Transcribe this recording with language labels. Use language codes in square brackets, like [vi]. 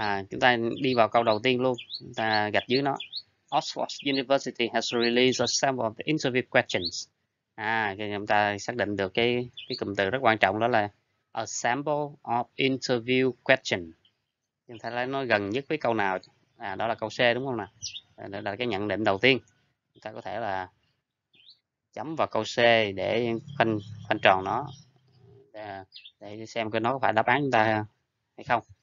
[vi] Chúng ta đi vào câu đầu tiên luôn, chúng ta gạch dưới nó. [en] Oxford University has released a sample of the interview questions. [vi] Chúng ta xác định được cái cụm từ rất quan trọng, đó là [en] a sample of interview question. [vi] Chúng ta thấy nó gần nhất với câu nào? Đó là câu C đúng không nào? Đó là cái nhận định đầu tiên. Chúng ta có thể là chấm vào câu C để khoanh khoanh tròn nó, để xem cái nó có phải đáp án chúng ta hay không.